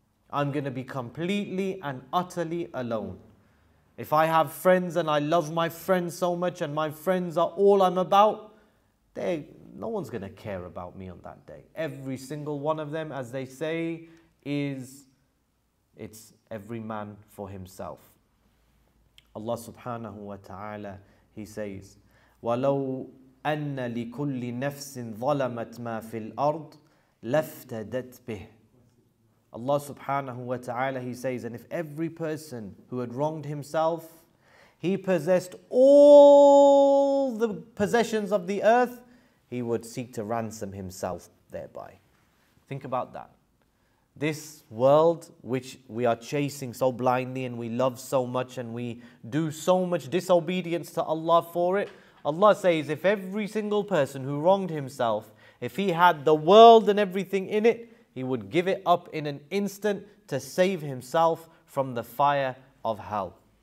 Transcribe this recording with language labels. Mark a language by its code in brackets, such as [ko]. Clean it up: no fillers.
[en] I'm going to be completely and utterly alone. If I have friends and I love my friends so much and my friends are all I'm about, no one's going to care about me on that day. Every single one of them, as they say, it's every man for himself. Allah subhanahu wa ta'ala, he says, [ar] وَلَوْ أَنَّ لِكُلِّ نَفْسٍ ظَلَمَتْ مَا فِي الْأَرْضِ لَفْتَدَتْ بِهِ. [en] Allah subhanahu wa ta'ala, he says, and if every person who had wronged himself, he possessed all the possessions of the earth, he would seek to ransom himself thereby. Think about that. This world which we are chasing so blindly and we love so much and we do so much disobedience to Allah for it, Allah says, if every single person who wronged himself, if he had the world and everything in it, he would give it up in an instant to save himself from the fire of hell.